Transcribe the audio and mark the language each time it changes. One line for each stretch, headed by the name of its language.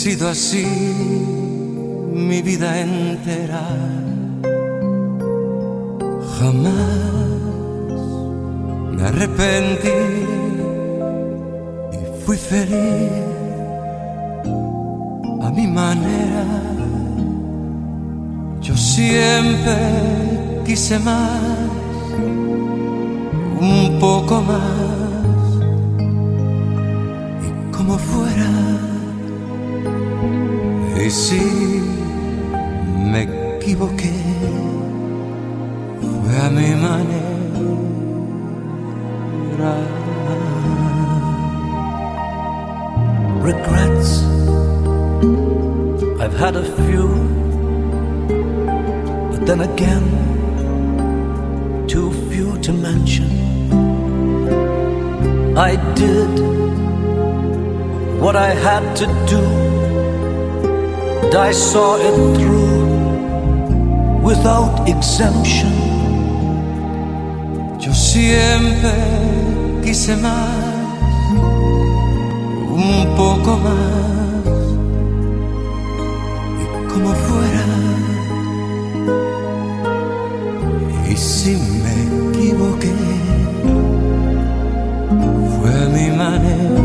Spanish: Así mi vida entera jamás me arrepentí y fui feliz a mi manera yo siempre quise más un poco más y como fuera Y si me equivoqué, fue a mi manera.
English: Regrets, I've had a few, but then again, too few to mention. I did what I had to do. And I saw it through without exemption.
Spanish: Yo siempre quise más, un poco más, y como fuera, y si me equivoqué, fue mi manera.